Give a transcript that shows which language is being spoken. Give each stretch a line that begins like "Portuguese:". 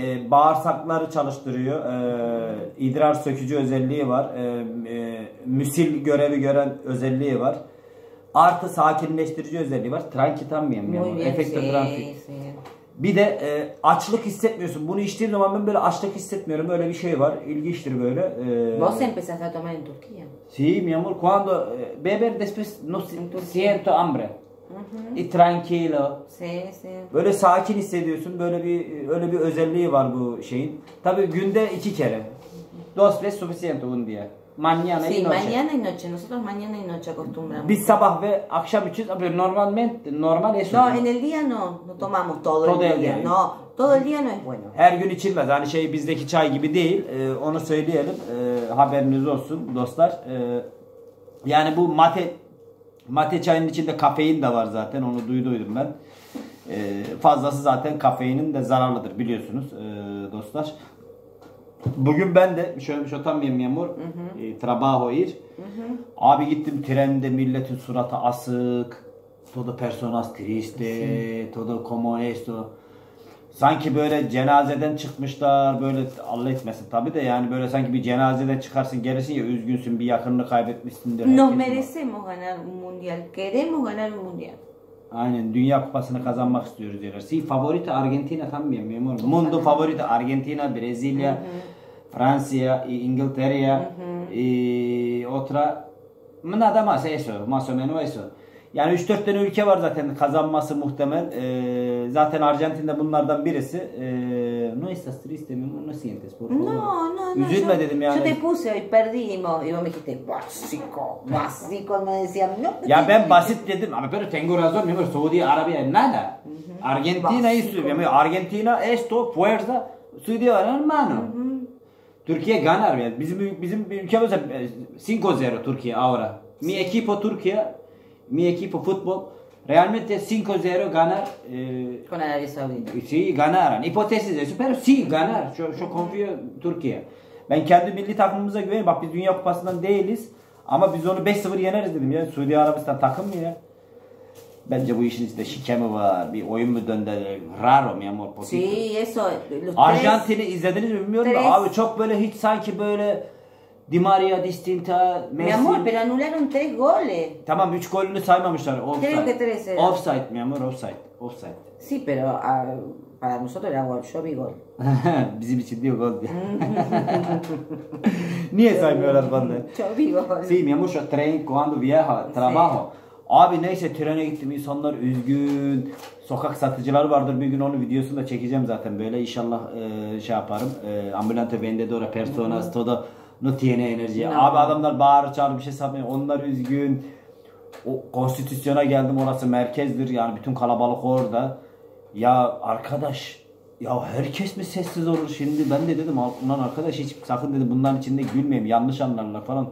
Turkish: Bağırsakları çalıştırıyor. İdrar sökücü özelliği var. Müsil görevi gören özelliği var. Artı sakinleştirici özelliği var. Tranquitamiyem mi? Efekto tranquit. Bir de açlık hissetmiyorsun. Bunu içtiğim zaman ben böyle açlık hissetmiyorum. Öyle bir şey var. İlginçtir böyle.
Spanish: Vos empezaste a tomar en Turquía. Sí, mi amor. Cuando beber después no siento hambre. Tranquilo.
Turkish: Böyle sakin hissediyorsun. Böyle bir özelliği var bu şeyin. Tabii günde iki kere.
Spanish: Dos veces suficiente un día. Mañana sí, y noche. Mañana y noche. Nosotros mañana y noche acostumbramos. Biz sabah ve akşam için, pero normalmente normal eso. No, en el día no. No tomamos todo el día. No, todo el día no es bueno.
Turkish: Her gün içilmez. Hani şey bizdeki çay gibi değil. Onu söyleyelim. Haberiniz olsun dostlar. Yani bu mate çayının içinde kafein de var zaten. Onu duydum ben. Fazlası zaten kafeinin de zararlıdır biliyorsunuz dostlar. Bugün ben de şöyle bir şotam yiyeyim memur.
Spanish: Trabajo ir.
Turkish: Abi gittim trende, milletin suratı asık.
Spanish: Todo personas triste, todo como esto.
Turkish: Sanki böyle cenazeden çıkmışlar. Böyle Allah etmesin tabii de yani böyle sanki bir cenazeden çıkarsın gelirsin ya üzgünsün, bir yakınını kaybetmişsin diye.
Spanish: Nos merecemos ganar un mundial. Queremos ganar un mundial.
Turkish: Aynen, dünya kupasını kazanmak istiyoruz diyorlar.
Spanish: Si favorito Argentina tam mı memur? Mundo favorito Argentina, Brezilya, Fransa, İngiltere, otra. Nada más eso, más o menos eso.
Turkish: Yani 3-4 tane ülke var zaten kazanması muhtemel. Zaten Arjantin de bunlardan birisi.
Spanish: No estás triste, mi amor, no sientes, por favor. No.
Turkish: Üzülme dedim yani.
Spanish: Yo te puse hoy perdimos y vos me dijiste básico, me decían. No,
Turkish: ya ben basit dedim.
Spanish: Ama pero tengo razón, mi amor. Saudi Arabia nada. Argentina istiyor. Argentina esto fuerza su idioma, hermano. Türkiye ganar.
Turkish: Yani bizim ülkemiz 5-0 Türkiye ahora.
Spanish: Mi equipo Turquía. Mi equipo futbol realmente 5-0 ganar con Arabia Saudita. Sí, ganarán. Hipótesis eso, pero sí ganar. Yo confío en Turquía.
Turkish: Ben kendi milli takımımıza güveniyorum. Bak biz Dünya Kupası'ndan değiliz ama biz onu 5-0 yeneriz dedim ya. Suudi Arabistan takım mı ya? Bence bu işin içinde şike mi var? Bir oyun mu döndü?
Spanish: Raro mi amor? Sí, eso.
Turkish: Arjantin'i izlediniz mi bilmiyorum da abi çok böyle hiç sanki böyle Di Maria distinta, Messi.
Spanish: Mi amor, pero anularon 3 goles.
Turkish: Tamam, 3 golünü saymamışlar. Offside.
Spanish: Creo que 3 era. Offside mi amor, offside. Sí, pero Para nosotros era gol, yo vi gol.
Turkish: Bizim için diyor gol. Niye saymıyorlar bana?
Spanish: Yo vi gol. Sí, mi amor, tren cuando viaja, trabajo.
Turkish: Abi neyse trene gittim, insanlar üzgün. Sokak satıcılar vardır, bir gün onu videosunu da çekeceğim zaten böyle. İnşallah şey yaparım.
Spanish: Ambulante vendedora personas todo no tiene energía. No.
Turkish: Abi adamlar bağır çağır bir şey satmıyor. Onlar üzgün. O konstitüsyona geldim, orası merkezdir. Yani bütün kalabalık orada. Ya arkadaş, ya herkes mi sessiz olur şimdi? Ben de dedim lan arkadaş, hiç sakın dedim bunların içinde gülmeyeyim, yanlış anlarlar falan.